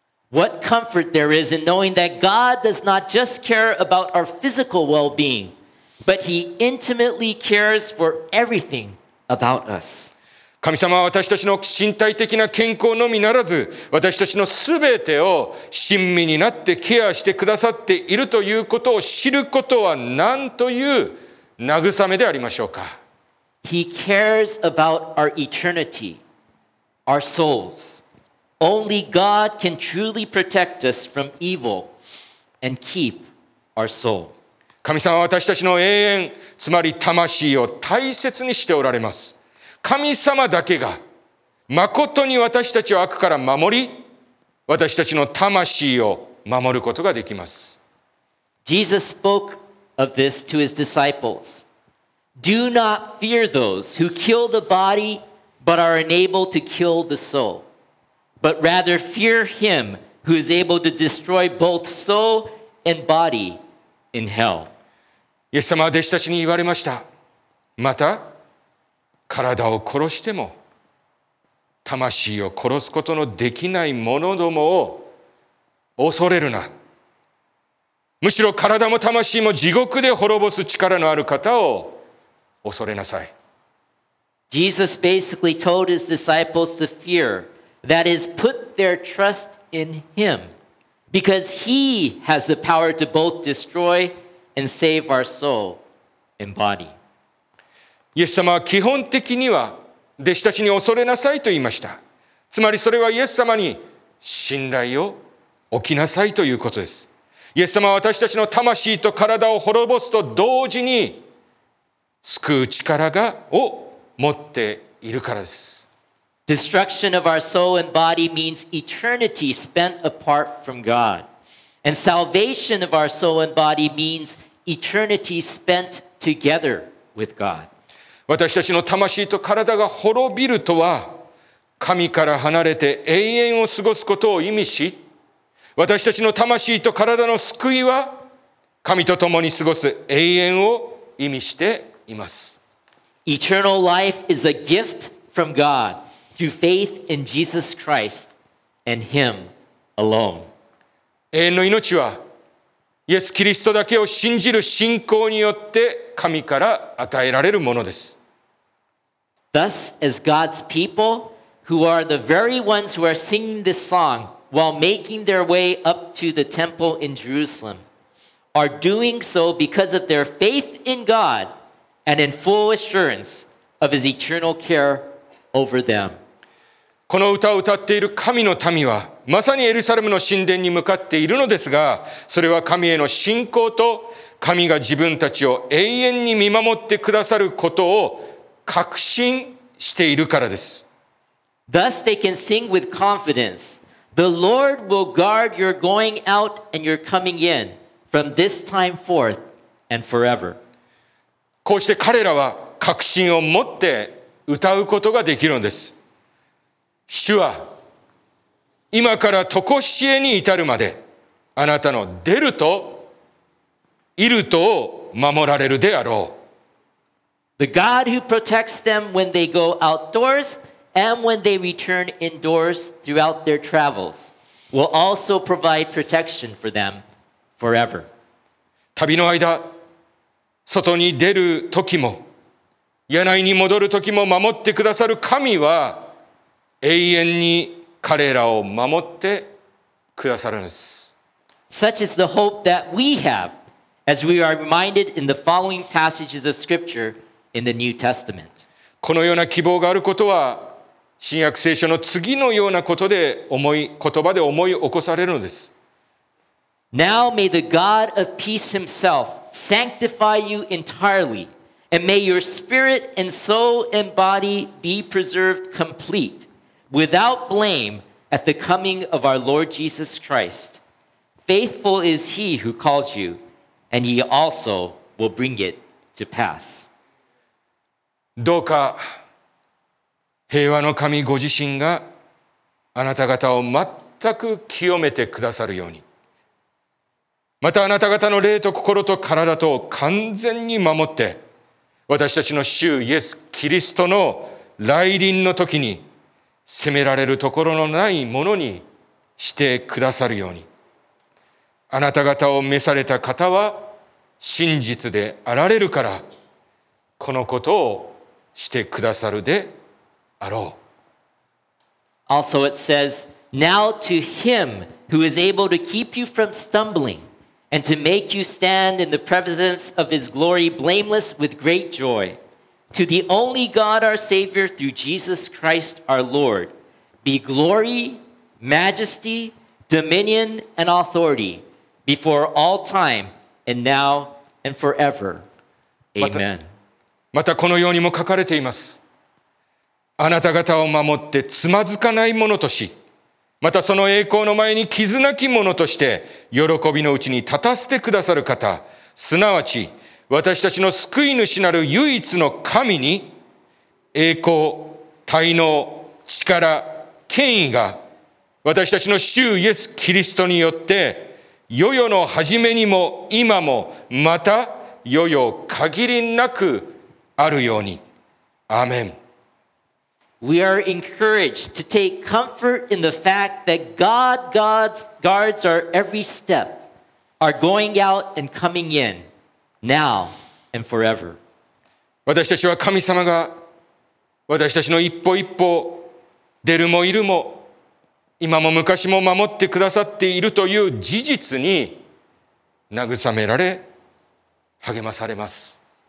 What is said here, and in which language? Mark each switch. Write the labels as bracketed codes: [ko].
[en] What comfort there is in knowing that God does not just care about our physical well-being. But he intimately cares for everything about us. [ja] 神様は私たちの身体的な健康のみならず、私たちのすべてを親身になってケアしてくださっているということを知ることは何という慰めでありましょうか。 [en] He cares about our eternity, our souls. Only God can truly protect us from evil and keep our soul. [ja] 神様は私たちの永遠、つまり魂を大切にしておられます。神様だけが、まことに私たちを悪から守り、私たちの魂を守ることができます。 [en] Jesus spoke of this to his disciples. Do not fear those who kill the body, but are unable to kill the soul. But rather fear him who is able to destroy both soul and body. In hell. [ja] イエス様は弟子たちに言われました。また体を殺しても魂を殺すことのできない者どもを恐れるな。むしろ体も魂も地獄で滅ぼす力のある方を恐れなさい。 [en] Jesus basically told his disciples to fear, that is, put their trust in him. Because he has the power to both destroy and save our soul and body. [ja] イエス様は基本的には弟子たちに恐れなさいと言いました。つまりそれはイエス様に信頼を置きなさいということです。イエス様は私たちの魂と体を滅ぼすと同時に救う力がを持っているからです。 [en] Destruction of our soul and body means eternity spent apart from God. And salvation of our soul and body means eternity spent together with God. [ja] 私たちの魂と体が滅びるとは、神から離れて永遠を過ごすことを意味し、私たちの魂と体の救いは、神と共に過ごす永遠を意味しています。 [en] Eternal life is a gift from God through faith in Jesus Christ and Him alone. [ja] 永遠の命は、イエス・キリストだけを信じる信仰によって神から与えられるものです。 [en] Thus, as God's people, who are the very ones who are singing this song while making their way up to the temple in Jerusalem, are doing so because of their faith in God and in full assurance of His eternal care over them. [ja] この歌を歌っている神の民は、まさにエルサレムの神殿に向かっているのですが、それは神への信仰と神が自分たちを永遠に見守ってくださることを確信しているからです。 [en] Thus they can sing with confidence, "The Lord will guard your going out and your coming in from this time forth and forever." [ja] こうして彼らは確信を持って歌うことができるのです。主は今から常しえに至るまで、あなたの出ると、いるとを守られるであろう。 [en] The God who protects them when they go outdoors and when they return indoors throughout their travels will also provide protection for them forever. [ja] 旅の間、外に出る時も、屋内に戻る時も守ってくださる神は、永遠に彼らを守ってくださるんです。 [en] Such is the hope that we have, as we are reminded in the following passages of Scripture in the New Testament. [ja] このような希望があることは、新約聖書の次のようなことで言葉で思い起こされるのです。 [en] Now may the God of peace himself sanctify you entirely, and may your spirit and soul and body be preserved complete. Without blame at the coming of our Lord Jesus Christ. Faithful is he who calls you, and he also will bring it to pass. [ja] どうか平和の神ご自身があなた方を全く清めてくださるように。またあなた方の霊と心と体とを完全に守って、私たちの主イエス・キリストの来臨の時に、責められるところのないものにしてくださるように。あなた方を召された方は真実であられるから、このことをしてくださるであろう。 [en] Also it says, Now to him who is able to keep you from stumbling and to make you stand in the presence of his glory blameless with great joy. To the only God our Savior through Jesus Christ our Lord be glory, majesty, dominion and authority before all time and now and forever. Amen. [ja] またこのようにも書かれています。あなた方を守ってつまずかないものとし、またその栄光の前に傷なきものとして喜びのうちに立たせてくださる方、すなわち私たちの救い主なる唯一の神に栄光、滞納、力、権威が私たちの主イエス・キリストによって世々の初めにも今もまた世々限りなくあるように。アーメン。 [en] We are encouraged to take comfort in the fact that God's guards our every step, our going out and coming in. Now and forever. [ja] 私たちは神様が私たちの一歩一歩出るもいるも今も昔も守ってくださっているという事実に慰められ励まされます。